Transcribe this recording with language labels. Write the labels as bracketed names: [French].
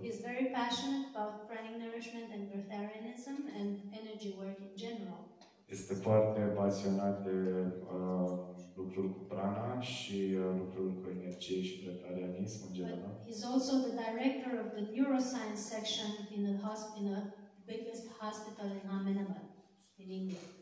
[English] He's very passionate about pranic nourishment and breatharianism and energy work in general. [Romanian] Este foarte pasionat de lucruri cu prana și lucruri cu energie și breatharianism în general. [English] But he's also the director of the neuroscience section in the hospital, biggest hospital in Ahmedabad, in India.